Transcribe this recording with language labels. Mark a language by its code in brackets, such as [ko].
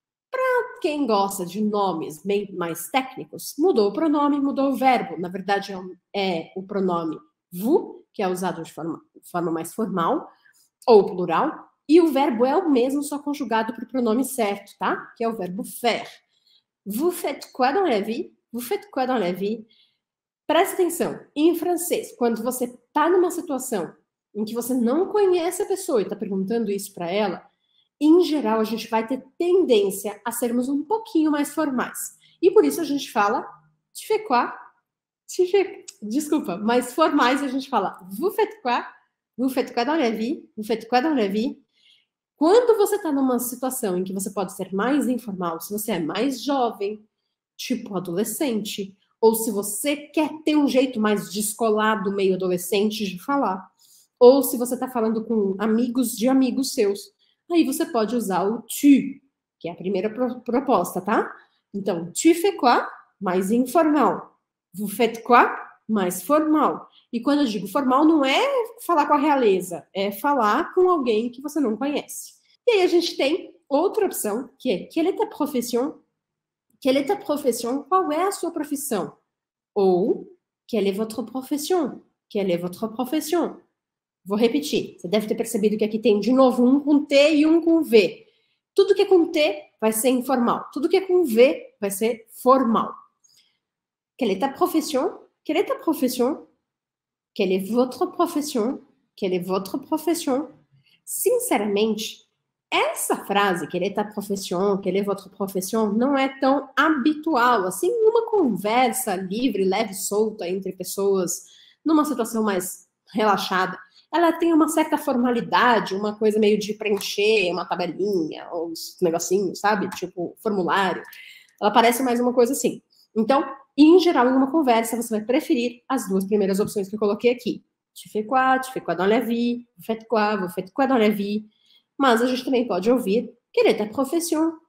[pt] Para quem gosta de nomes bem mais técnicos, mudou o pronome, mudou o verbo. Na verdade, é o pronome vous, que é usado de forma mais formal ou plural, e o verbo é o mesmo, só conjugado para o pronome certo, tá? Que é o verbo faire. [fr] Vous faites quoi dans la vie? Vous faites quoi dans la vie? [pt] Presta atenção, em francês, quando você está numa situação em que você não conhece a pessoa e está perguntando isso para ela, em geral, a gente vai ter tendência a sermos um pouquinho mais formais. E por isso a gente fala [fr] tu fais quoi? [pt] Desculpa, mais formais a gente fala [fr] vous faites quoi dans la vie? Vous faites quoi dans la vie? [pt] Quando você está numa situação em que você pode ser mais informal, se você é mais jovem, tipo adolescente, ou se você quer ter um jeito mais descolado, meio adolescente, de falar, ou se você está falando com amigos de amigos seus. Aí você pode usar o tu, que é a primeira proposta, tá? Então, [fr] tu fais quoi? [pt] Mais informal. [fr] Vous faites quoi? [pt] Mais formal. E quando eu digo formal, não é falar com a realeza, é falar com alguém que você não conhece. E aí a gente tem outra opção, que é [fr] quelle est ta profession? Quelle est ta profession? [pt] Qual é a sua profissão? [fr] Ou quelle est votre profession? Quelle est votre profession? [pt] Vou repetir. Você deve ter percebido que aqui tem de novo um com T e um com V. Tudo que é com T vai ser informal. Tudo que é com V vai ser formal. [fr] Quelle est ta profession? Quelle est ta profession? Quelle est votre profession? Quelle est votre profession? [pt] Sinceramente, essa frase, [fr] quelle est ta profession? Quelle est votre profession? [pt] Não é tão habitual assim, numa conversa livre, leve, solta entre pessoas, numa situação mais relaxada. Ela tem uma certa formalidade, uma coisa meio de preencher uma tabelinha, uns negocinhos, sabe? Tipo, formulário. Ela parece mais uma coisa assim. Então, em geral, em uma conversa, você vai preferir as duas primeiras opções que eu coloquei aqui. [fr] Tu fais quoi dans la vie? Vous faites quoi dans la vie? [pt] Mas a gente também pode ouvir: [fr] Quelle est ta profession?